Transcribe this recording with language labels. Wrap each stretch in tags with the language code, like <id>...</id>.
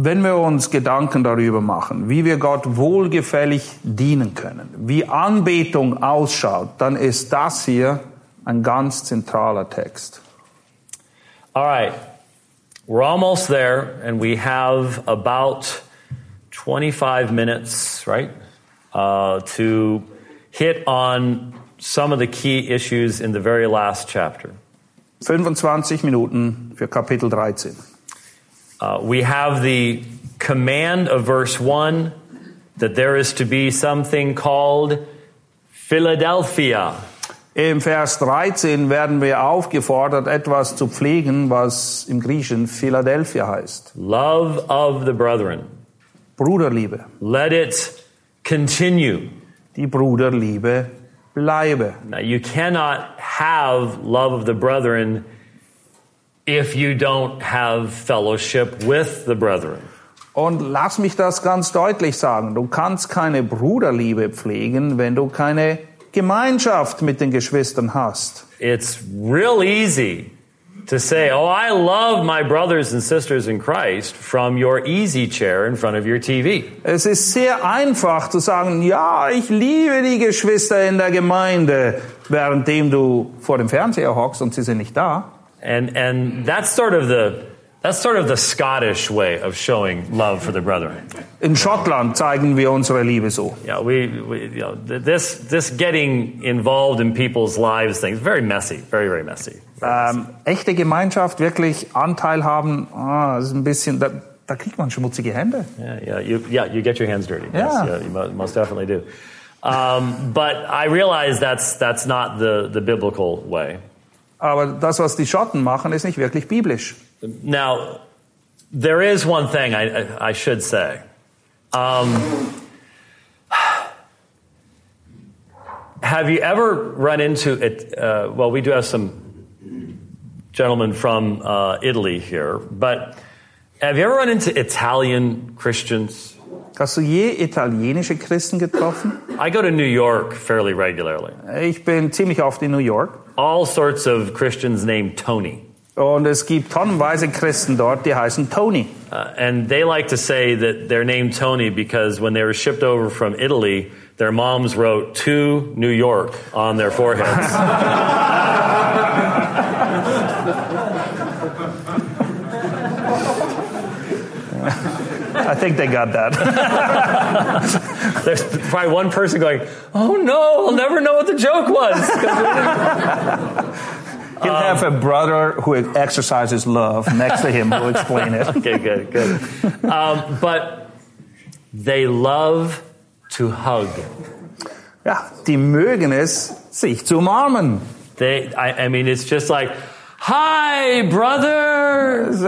<de>Wenn wir uns Gedanken darüber machen, wie wir Gott wohlgefällig dienen können, wie Anbetung ausschaut, dann ist das hier ein ganz zentraler Text.</de> <en>All right. We're almost there and we have about 25 minutes, right? To hit on some of the key issues in the very last chapter.</en> <de>25 Minuten für Kapitel 13.</de> <en>We have the command of verse 1 that there is to be something called Philadelphia.</en> <de>Im Vers 13 werden wir aufgefordert, etwas zu pflegen, was im Griechischen Philadelphia heißt.</de> <en>Love of the brethren.</en> <de>Bruderliebe.</de> <en>Let it continue.</en> <de>Die Bruderliebe bleibe.</de> <en>Now you cannot have love of the brethren if you don't have fellowship with the brethren.</en> <de>Und lass mich das ganz deutlich sagen. Du kannst keine Bruderliebe pflegen, wenn du keine Gemeinschaft mit den Geschwistern hast.</de> <en>It's real easy to say, oh, I love my brothers and sisters in Christ from your easy chair in front of your TV.</en> <de>Es ist sehr einfach zu sagen, ja, ich liebe die Geschwister in der Gemeinde, währenddem du vor dem Fernseher hockst und sie sind nicht da.</de> <en>And that's sort of the Scottish way of showing love for the brethren.</en> <de>In Schottland zeigen wir unsere Liebe so.</de> <en>Yeah, this getting involved in people's lives thing is very messy, very very messy.</en> <de>Echte Gemeinschaft, wirklich Anteil haben, ist ein bisschen, da kriegt man schmutzige Hände.</de> <en>You get your hands dirty. Most definitely do. But I realize that's not the biblical way.</en> <de>Aber das, was die Schotten machen, ist nicht wirklich biblisch.</de> <en>Now, there is one thing I should say. Have you ever run into it? Well, we do have some gentlemen from Italy here, but have you ever run into Italian Christians?</en> <de>Hast du je italienische Christen getroffen?</de> <en>I go to New York fairly regularly.</en> <de>Ich bin ziemlich oft in New York.</de> <en>All sorts of Christians named Tony.</en> <de>Und es gibt tonnenweise Christen dort, die heißen Tony.</de> <en>And they like to say that they're named Tony because when they were shipped over from Italy, their moms wrote to New York on their foreheads. I think they got that. There's probably one person going, oh no, I'll never know what the joke was. He'll have a brother who exercises love next to him who'll explain it. Okay, good, good. But they love to hug.</en> <de>Ja, die mögen es, sich zu umarmen.</de> <en>I mean, it's just like, hi, brother.</en>